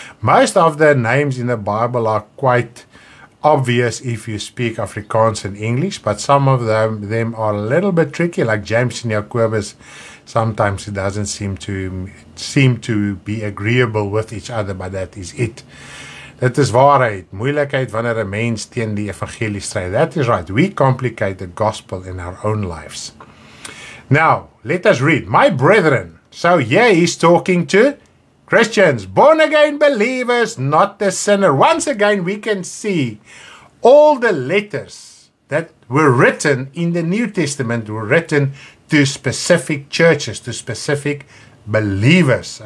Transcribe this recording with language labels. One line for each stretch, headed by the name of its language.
English: Most of the names in the Bible are quite obvious if you speak Afrikaans and English, but some of them are a little bit tricky, like James and Jacobus. Sometimes it doesn't seem to be agreeable with each other, but that is it.
Afrikaans: Dit is waarheid, moeilikheid wanneer 'n mens teen die evangelie stry.
English: That is right. We complicate the gospel in our own lives. Now, let us read. My brethren. So yeah, he's talking to Christians, born again believers, not the sinner. Once again, we can see all the letters that were written in the New Testament were written to specific churches, to specific believers.